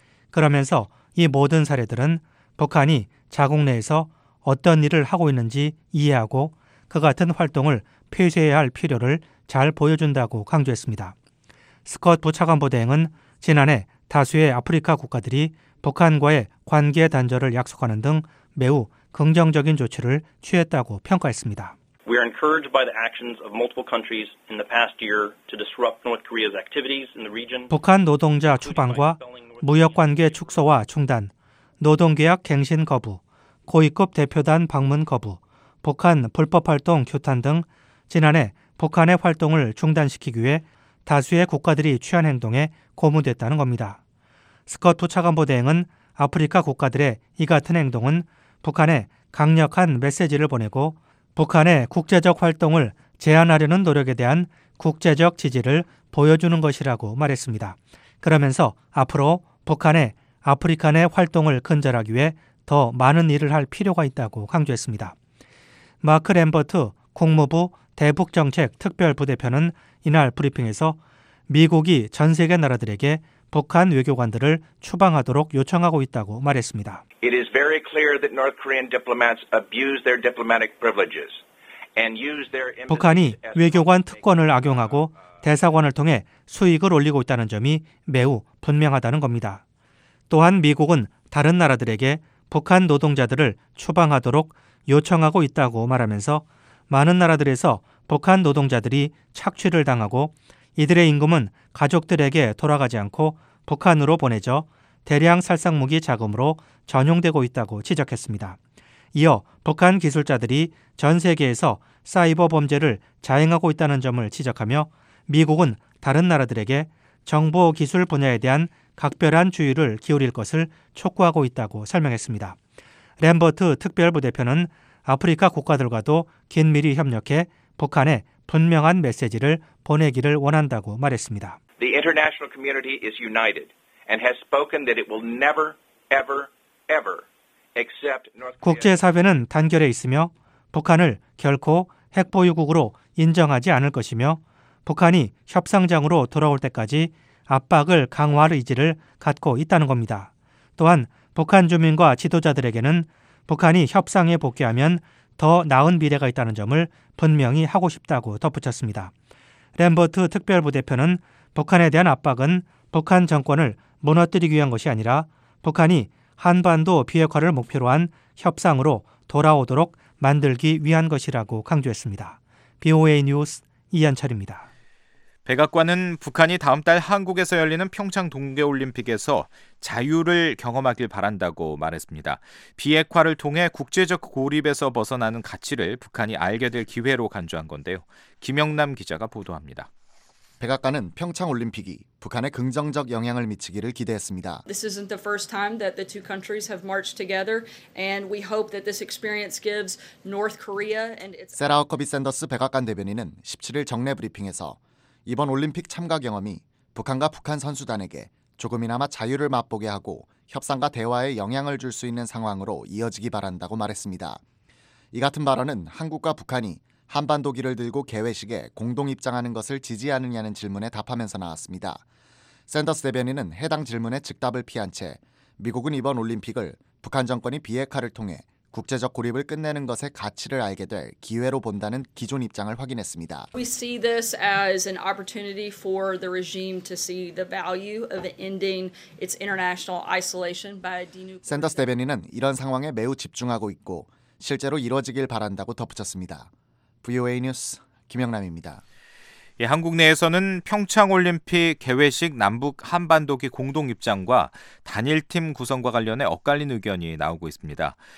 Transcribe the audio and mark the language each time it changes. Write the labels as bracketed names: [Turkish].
[Korean] 그러면서 이 모든 사례들은 북한이 자국 내에서 어떤 일을 하고 있는지 이해하고 그 같은 활동을 폐쇄해야 할 필요를 잘 보여준다고 강조했습니다. 스콧 부차관보대행은 지난해 다수의 아프리카 국가들이 북한과의 관계 단절을 약속하는 등 매우 긍정적인 조치를 취했다고 평가했습니다. [English] We are encouraged by the actions of multiple countries in the past year to disrupt North Korea's activities in the region. [Korean] 북한 노동자 추방과 무역 관계 축소와 중단, 노동 계약 갱신 거부, 고위급 대표단 방문 거부, 북한 불법 활동 규탄 등 지난해 북한의 활동을 중단시키기 위해 다수의 국가들이 취한 행동에 고무됐다는 겁니다. 스콧 부차관보대행은 아프리카 국가들의 이 같은 행동은 북한에 강력한 메시지를 보내고 북한의 국제적 활동을 제한하려는 노력에 대한 국제적 지지를 보여주는 것이라고 말했습니다. 그러면서 앞으로 북한의 아프리카 내 활동을 근절하기 위해 더 많은 일을 할 필요가 있다고 강조했습니다. 마크 램버트 국무부 대북정책특별부대표는 이날 브리핑에서 미국이 전 세계 나라들에게 북한 외교관들을 추방하도록 요청하고 있다고 말했습니다. [English] It is very clear that North Korean diplomats abuse their diplomatic privileges and use their [Korean] 북한이 외교관 특권을 악용하고 대사관을 통해 수익을 올리고 있다는 점이 매우 분명하다는 겁니다. 또한 미국은 다른 나라들에게 북한 노동자들을 추방하도록 요청하고 있다고 말하면서 많은 나라들에서 북한 노동자들이 착취를 당하고 이들의 임금은 가족들에게 돌아가지 않고 북한으로 보내져 대량 살상무기 자금으로 전용되고 있다고 지적했습니다. 이어 북한 기술자들이 전 세계에서 사이버 범죄를 자행하고 있다는 점을 지적하며 미국은 다른 나라들에게 정보 기술 분야에 대한 각별한 주의를 기울일 것을 촉구하고 있다고 설명했습니다. 램버트 특별부대표는 아프리카 국가들과도 긴밀히 협력해 북한에 분명한 메시지를 보내기를 원한다고 말했습니다. [English] The international community is united and has spoken that it will never, ever, ever accept North Korea. [Korean] 국제사회는 단결해 있으며 북한을 결코 핵보유국으로 인정하지 않을 것이며 북한이 협상장으로 돌아올 때까지 압박을 강화할 의지를 갖고 있다는 겁니다. 또한 북한 주민과 지도자들에게는 북한이 협상에 복귀하면 더 나은 미래가 있다는 점을 분명히 하고 싶다고 덧붙였습니다. 램버트 특별부대표는 북한에 대한 압박은 북한 정권을 무너뜨리기 위한 것이 아니라 북한이 한반도 비핵화를 목표로 한 협상으로 돌아오도록 만들기 위한 것이라고 강조했습니다. BOA 뉴스 이한철입니다. 백악관은 북한이 다음 달 한국에서 열리는 평창 동계올림픽에서 자유를 경험하길 바란다고 말했습니다. 비핵화를 통해 국제적 고립에서 벗어나는 가치를 북한이 알게 될 기회로 간주한 건데요. 김영남 기자가 보도합니다. 백악관은 평창 올림픽이 북한에 긍정적 영향을 미치기를 기대했습니다. [English] This isn't the first time that the two countries have marched together and we hope that this experience gives North Korea and its [Korean] 세라 허커비 샌더스 백악관 대변인은 17일 정례 브리핑에서 이번 올림픽 참가 경험이 북한과 북한 선수단에게 조금이나마 자유를 맛보게 하고 협상과 대화에 영향을 줄 수 있는 상황으로 이어지기 바란다고 말했습니다. 이 같은 발언은 한국과 북한이 한반도기를 들고 개회식에 공동 입장하는 것을 지지하느냐는 질문에 답하면서 나왔습니다. 샌더스 대변인은 해당 질문에 즉답을 피한 채 미국은 이번 올림픽을 북한 정권이 비핵화를 통해 국제적 고립을 끝내는 것의 가치를 알게 될 기회로 본다는 기존 입장을 확인했습니다. [English] We see this as an opportunity for the regime to see the value of ending its international isolation by denuclearization. [Korean] 샌더스 대변인은 이런 상황에 매우 집중하고 있고 실제로 이루어지길 바란다고 덧붙였습니다. VOA 뉴스 김영남입니다. 예, 한국 내에서는 평창올림픽 개회식 남북 한반도기 공동입장과 단일팀 구성과 관련해 엇갈린 의견이 나오고 있습니다.